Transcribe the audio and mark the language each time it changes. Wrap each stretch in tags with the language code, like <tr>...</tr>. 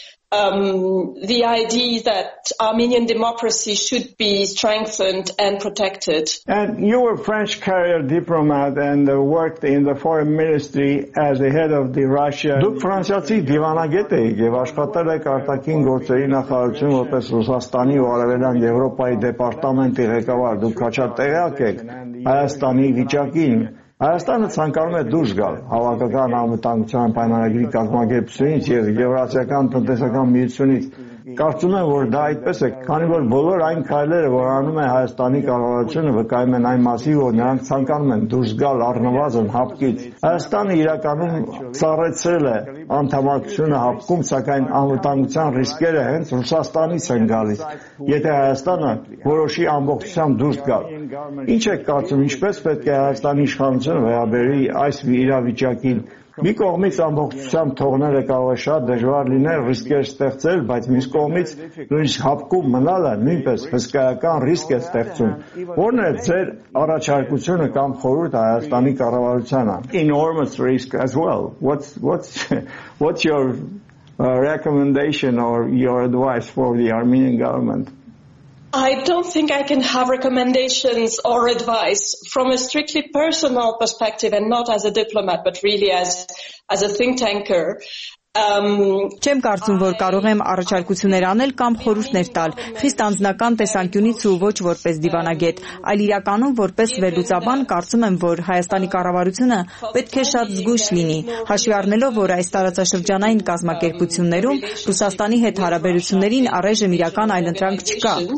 <en>The idea that Armenian democracy should be strengthened and protected. And you were a French career diplomat and worked in the foreign ministry as the head of the Russia.</en> <hy>Դուք ֆրանսիացի դիվանագետ եք եւ աշխատել եք արտաքին գործերի նախարարություն որպես Ռուսաստանի ու Արևելյան Եվրոպայի դեպարտամենտի ղեկավար։ Դուք քաչա տեղյակ եք Հայաստանի վիճակին։ Հայաստանը ցանկանում է դուրս գալ հավաքական անվտանգության պայմանագրի կազմակերպությունից եւ եվրասիական տնտեսական միությունից։ Կարծում եմ, որ դա այդպես է, քանի որ բոլոր այն քայլերը, որ անում է Հայաստանի կառավարությունը, վկայում են այն մասին, որ նրանք ցանկանում են դուրս գալ առնվազն հապկից։ Հայաստանը իրականում ծառեցել է անդամակցությունը հապկում, սակայն անվտանգության ռիսկերը հենց Ռուսաստանից են գալիս, եթե Հայաստանը որոշի ամբողջությամ դուրս գալ։ Ինչ եք կարծում, ինչպես պետք է Հայաստանի իշխանությունը վերաբերի այս իրավիճակին։ Մի կողմից ամբողջությամբ թողնելը կարող է շատ դժվար լինել, ռիսկեր ստեղծել, բայց մյուս կողմից նույնիսկ հապկում մնալը նույնպես հսկայական ռիսկ է ստեղծում։ Որն է ձեր առաջարկությունը կամ խորհուրդը Հայաստանի կառավարությանը?</hy> <en>Enormous risk as well. What's your recommendation or your advice for the Armenian government? I don't think I can have recommendations or advice from a strictly personal perspective and not as a diplomat but really as a think tanker.</en> <hy>Չեմ կարծում, որ կարող եմ առաջարկություններ անել կամ խորհուրդներ տալ, խիստ անձնական տեսանկյունից ու ոչ որպես դիվանագետ, այլ իրականում որպես վերլուծաբան կարծում եմ, որ Հայաստանի կառավարությունը պետք է շատ զգույշ լինի, հաշվի առնելով, որ այս տարածաշրջանային կազմակերպություններում Ռուսաստանի հետ հարաբերություններին առայժմ իրական այլ ընտրանք չկա։</hy>